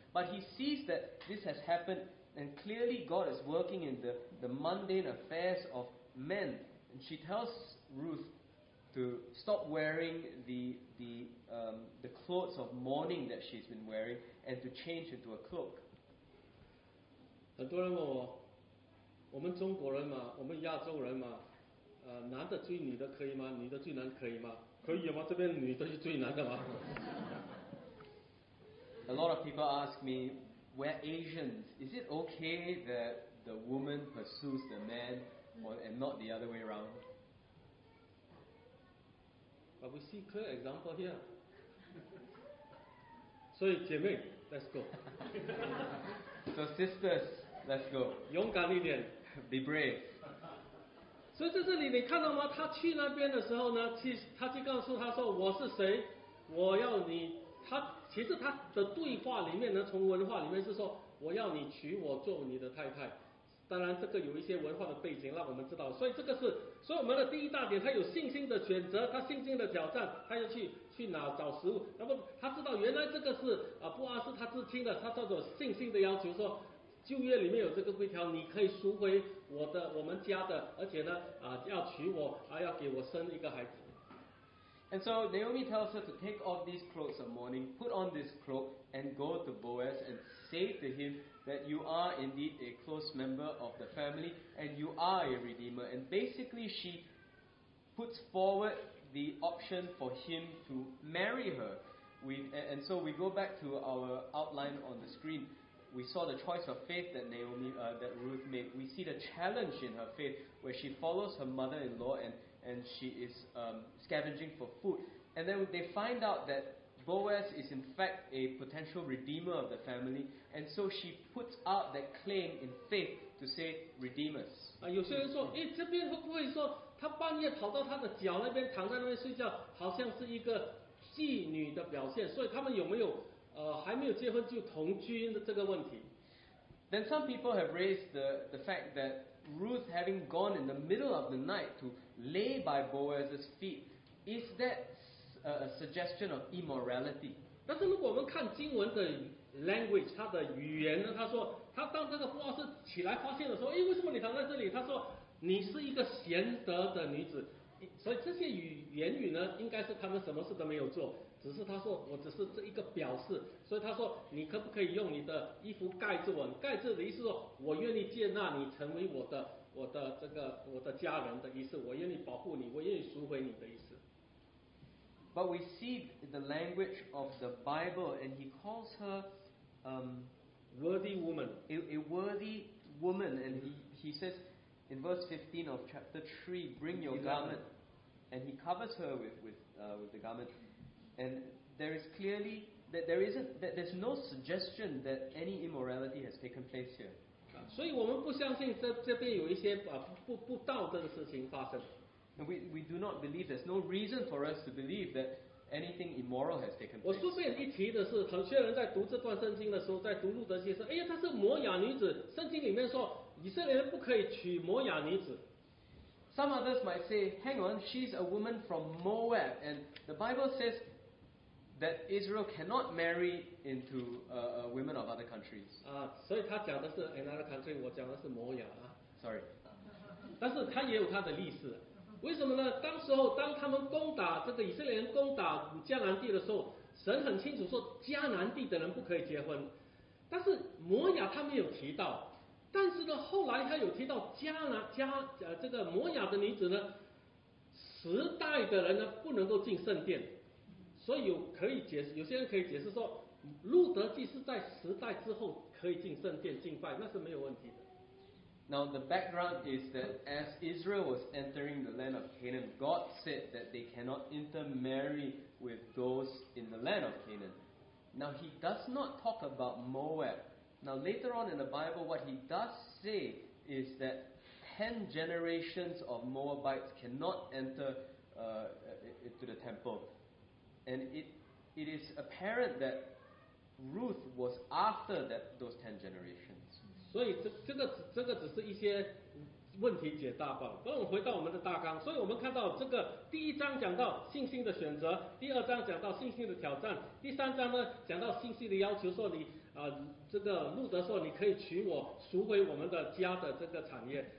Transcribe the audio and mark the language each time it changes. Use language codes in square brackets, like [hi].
[en] But he sees that this has happened. And clearly God is working in the mundane affairs of men. And she tells Ruth to stop wearing the clothes of mourning that she's been wearing and to change into a cloak. [zh] 很多人问我，我们中国人嘛，我们亚洲人嘛，男的追女的可以吗？女的追男可以吗？可以吗？这边女的去追男的吗？ [en] A lot of people ask me, we're Asians, is it okay that the woman pursues the man and not the other way around? But we see clear example here. So, [zh] 姐妹, [en] let's go. So, sisters, let's go. [zh] 勇敢一点。 [en] Be brave. [zh] 所以在这里你看到吗？他去那边的时候呢，他就告诉他说，我是谁，我要你，他其实他的对话里面呢，从文化里面是说，我要你娶我做你的太太。当然这个有一些文化的背景让我们知道，所以这个是，所以我们的第一大点，他有信心的选择，他信心的挑战，他要去哪找食物，那么他知道原来这个是不阿是他至亲的，他叫做信心的要求，说旧约里面有这个规条，你可以赎回我们家的，而且呢要娶我，还要给我生一个孩子。 [en] And so Naomi tells her to take off these clothes of mourning, put on this cloak, and go to Boaz and say to him that you are indeed a close member of the family and you are a redeemer. And basically she puts forward the option for him to marry her. So we go back to our outline on the screen. We saw the choice of faith that that Ruth made. We see the challenge in her faith where she follows her mother-in-law and she is scavenging for food. And then they find out that Boaz is in fact a potential redeemer of the family. And so she puts out that claim in faith to say, redeemers. [zh] 有些人说，这边会不会说，他半夜跑到他的脚那边，躺在那边睡觉，好像是一个妓女的表现，所以他们有没有还没有结婚就同居的这个问题。 [en] Then some people have raised the fact that Ruth having gone in the middle of the night to lay by Boaz's feet, is that a suggestion of immorality? [zh] 但是如果我们看经文的 [en] language, [zh] 它的语言呢，他说他当这个波阿斯起来发现的时候，为什么你躺在这里，他说你是一个贤德的女子，所以这些言语呢，应该是他们什么事都没有做，只是他说我只是这一个表示，所以他说你可不可以用你的衣服盖着我，盖着的意思说我愿意接纳你成为我的家人的意思，我愿意保护你，我愿意赎回你的意思。 [en] But we see the language of the Bible and he calls her worthy woman, a worthy woman, and he says in verse 15 of chapter 3, bring your garment, and he covers her with the garment. And there is clearly that there's no suggestion that any immorality has taken place here. [zh] 所以我们不相信这边有一些不道德的事情发生。 [en] And we do not believe, there's no reason for us to believe that anything immoral has taken place. [zh] 我顺便一提的是，很多人在读这段圣经的时候，在读路德记说，她是摩亚女子，圣经里面说以色列人不可以娶摩亚女子。 [en] Some others might say, hang on, she's a woman from Moab, and the Bible says that Israel cannot marry into women of other countries. [zh] 所以他讲的是 [en] another country, [zh] 我讲的是摩亚。 [en] Sorry. [zh] 但是他也有他的历史。为什么呢？当时候当他们攻打这个以色列人攻打迦南地的时候，神很清楚说迦南地的人不可以结婚。但是摩亚他没有提到。但是呢，后来他有提到这个摩亚的女子呢，时代的人呢不能够进圣殿，所以有可以解释，有些人可以解释说，路德记是在时代之后可以进圣殿敬拜，那是没有问题的。 [en] Now the background is that as Israel was entering the land of Canaan, God said that they cannot intermarry with those in the land of Canaan. Now he does not talk about Moab. Now later on in the Bible, what he does say is that 10 generations of Moabites cannot enter into the temple. And it is apparent that Ruth was after that those 10 generations. [zh] 所以这个只是一些问题解答吧。那我们回到我们的大纲，所以我们看到这个第一章讲到信心的选择，第二章讲到信心的挑战，第三章呢讲到信心的要求，说你这个路德说你可以娶我，赎回我们的家的这个产业。